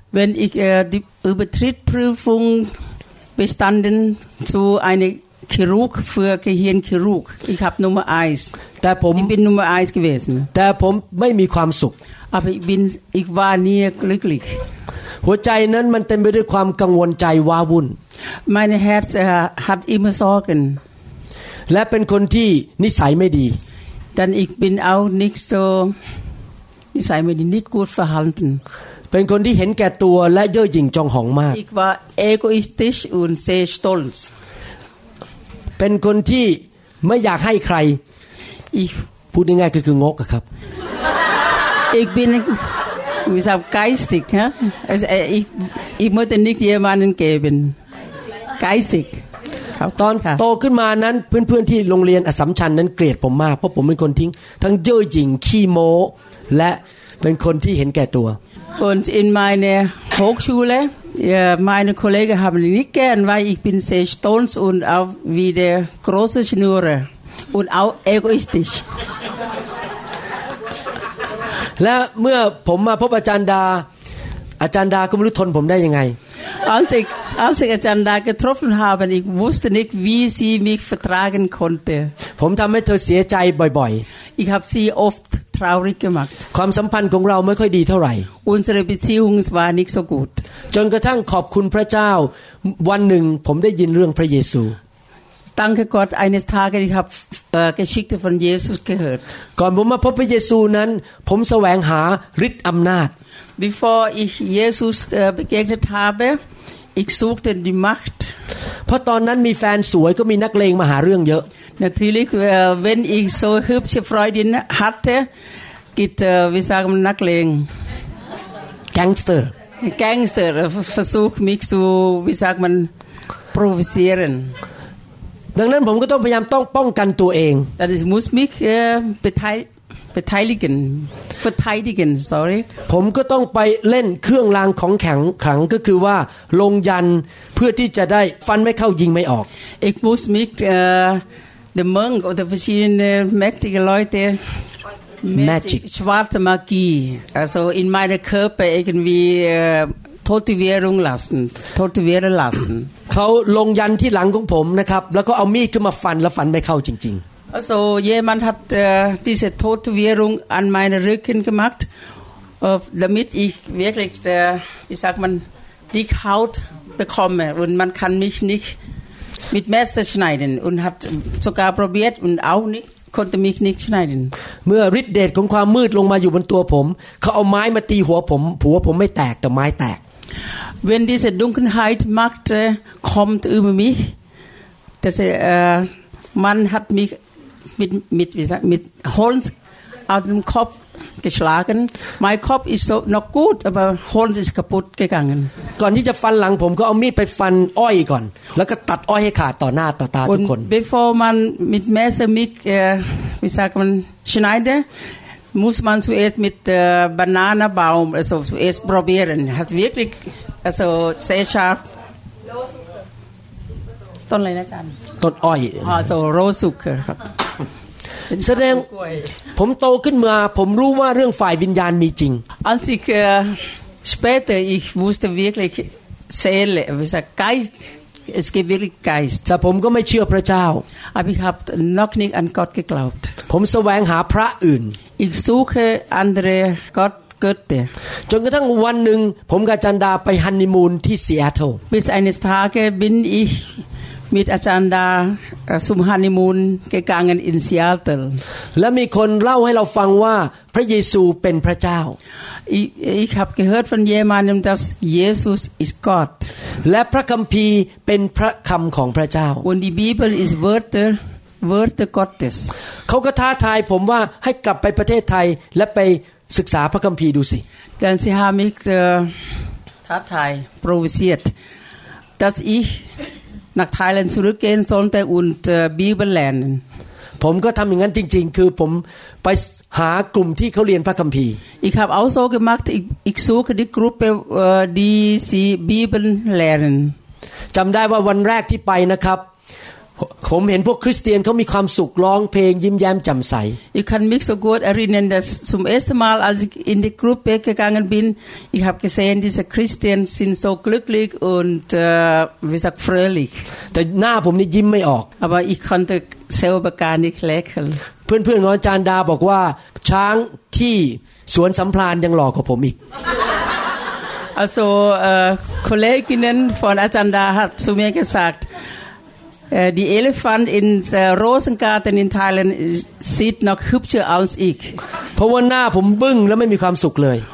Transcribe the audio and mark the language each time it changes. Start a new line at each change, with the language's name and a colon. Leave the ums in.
German: Wenn ich äh, die Übertrittprüfung bestanden zu einem Chirurg für Gehirnchirurg, ich habe Nummer eins.
Thai: แต่ผม
German: Ich bin Nummer eins gewesen,
Thai: แต่ผมไม่มีความสุข
German: aber ich bin, ich war nie glücklich.
Thai: หัวใจนั้นมันเต็มไปด้วยความกังวลใจว้าวุ่น
German: Mein Herz äh, hat immer Sorgen.
Thai: และเป็นคนที่นิสัยไม่ดี
German: Dann ich bin auch nicht so, ich sage mal, nicht gut verhalten.
Thai: เป็นคนที่เห็นแก่ตัวและเย่อหยิ่งจองหองมาก
German: Ich war egoistisch und sehr stolz.
Thai: เป็นคนที่ไม่อยากให้ใคร
German: Ich,
Thai: พูดง่ายๆก็คืองกอะครับ
German: ich bin wie gesagt, geistig. Ja? Also, äh, ich, ich möchte nicht jemanden geben. Geistig.
Thai: ตอน ค่ะ โตขึ้นมานั้นเพื่อนๆที่โรงเรียนอสสัมชัญนั้นเกลียดผมมากเพราะผมเป็นคนทิ้ง ทั้งเย่อหยิ่งขี้โม้และเป็นคนที่เห็นแก่ตัว
German: Und in meiner Hochschule, ja, meine Kollegen haben mich nicht gern, weil ich bin sehr stolz und auch wie der große Schnurre. Und auch egoistisch.
Thai: และเมื่อผมมาพบอาจารย์ดา อาจารย์ดาก็ไม่รู้ทนผมได้ยังไง
German: Als ich, als ich Ajanda getroffen habe, ich wusste nicht, wie sie mich vertragen konnte.
Thai: ผมทำให้เธอเสียใจบ่อย
German: Ich habe sie oft traurig gemacht.
Thai: ๆ ความสัมพันธ์ของเราไม่ค่อยดีเท่าไหร่
German: Unsere Beziehung war nicht so gut.
Thai: จนกระทั่งขอบคุณพระเจ้า วันหนึ่งผมได้ยินเรื่องพระเยซู
German: Danke Gott, eines Tages ich habe äh, Geschichte von Jesus gehört.
Thai: ก่อนผมมาพบพระเยซูนั้น ผมแสวงหาฤทธิ์อำนาจ
German: Bevor ich Jesus äh, begegnet habe, ich suchte die Macht.
Thai: เพราะตอนนั้นมีแฟนสวยก็มีนักเลงมาหาเรื่องเยอะ
German: Natürlich, äh, wenn ich so hübsche Freundin hatte, gibt, äh, wie sagen wir, Nackling,
Thai: แก๊งสเตอร์
German: Gangster, äh, versucht mich zu, wie sagt man, provozieren.
Thai: ดังนั้นผมก็ต้องพยายามต้องป้องกันตัวเอง
German: Das ist- muss mich äh, beteil- beteiligen, verteidigen, sorry.
Thai: ผมก็ต้องไปเล่นเครื่องรางของแข็งขลังก็คือว่าลงยันเพื่อที่จะได้ฟันไม่เข้ายิงไม่ออก
German: Ich muss mit äh, dem Monk oder verschiedenen mächtigen Leute
English: Magic.
German: schwarze Magie, also in meinen Körper irgendwie äh, Tätowierung lassen, tätowieren lassen.
Thai: เขาลงยันที่หลังของผมนะครับแล้วก็เอามีดขึ้นมาฟันแล้วฟันไม่เข้าจริง
German: Also jemand hat äh, diese Tätowierung an meinen Rücken gemacht, äh, damit ich wirklich, äh, wie sagt man, dick Haut bekomme und man kann mich nicht mit Messer schneiden und hat sogar probiert und auch nicht konnte mich nicht schneiden.
Thai: ๆ เมื่อฤทธิเดชของความมืดลงมาอยู่บนตัวผม เขาเอาไม้มาตีหัวผมหัวผมไม่แตกแต่ไม้แตก
German: Wenn diese Dunkelheit Macht äh, kommt über mich, dass, äh, man hat mich mit, mit, wie sagt, mit Holz auf den Kopf geschlagen. Mein Kopf ist so noch gut, aber Holz ist kaputt gegangen.
Thai: ก่อนที่จะฟันหลังผมก็เอามีดไปฟันอ้อยก่อน แล้วก็ตัดอ้อยให้ขาดต่อหน้าต่อตาทุกคน
German: Und bevor man mit Messer mich, äh, wie sagt man, schneidet, muss man zuerst mit äh, Bananenbaum, also zuerst probieren. Hat wirklich, also sehr scharf. Ton Lein, Herr Chan.
Thai: ต้นอ้อย
German: Also Rohzucker ครับ
Thai: แสดง ผมโตขึ้นมา ผมรู้ว่าเรื่องฝ่ายวิญญาณมีจริง
German: Als ich äh, später, ich wusste wirklich Seele, wie gesagt, Geist, es gibt wirklich Geist.
Thai: แต่ผมก็ไม่เชื่อพระเจ้า
German: Aber ich habe noch nicht an Gott geglaubt.
Thai: ผมแสวงหาพระอื่น
German: Ich suche andere Gott götter.
Thai: จนกระทั่งวันหนึ่งผมกับอาจันดาไปฮันนีมูนที่ซีแอตเทิล
German: Bis eines Tages bin ich mit Achanda äh, zum Honeymoon gegangen in Seattle.
Thai: และมีคนเล่าให้เราฟังว่าพระเยซูเป็นพระเจ้า
German: Ich, ich habe gehört von jemandem, dass Jesus ist Gott
Thai: และพระคัมภีร์เป็นพระคำของพระเจ้า
German: und die Bibel ist Wörter, Wörter Gottes.
Thai: เขาก็ท้าทายผมว่าให้กลับไปประเทศไทยและไปศึกษาพระคัมภีร์ดูสิ
German: Denn sie haben mich äh, Tatei provoziert, dass ich nach Thailand zurückgehen sollte und äh, Bibel lernen.
Thai: ผมก็ทำอย่างนั้นจริง ๆ คือผมไปหากลุ่มที่เขาเรียนพระคัมภีร์
German: Ich habe auch so gemacht, ich, ich suche die Gruppe, äh, die sie Bibel lernen.
Thai: จำได้ว่าวันแรกที่ไปนะครับ ผมเห็นพวกคริสเตียนเขามีความสุขร้องเพลงยิ้มแย้มแจ่มใส
German: Ich kann mich so gut erinnern, dass zum ersten Mal, als ich in die Gruppe gegangen bin, ich habe gesehen, diese Christen sind so glücklich und, äh, wie gesagt, fröhlich.
Thai: แต่หน้าผมนี่ยิ้มไม่ออก
German: Aber ich konnte selber gar nicht lächeln.
Thai: เพื่อนๆของอาจารย์ดาบอกว่า ช้างที่สวนสัมพลานยังหล่อกว่าผมอีก
German: Also äh, Kolleginnen von Ajanda hat zu mir gesagt, äh, die Elefant in der Rosengarten in Thailand ist- sieht noch hübscher als ich,
Thai: เพราะว่าหน้าผมบึ้งแล้วไม่มีความสุขเลย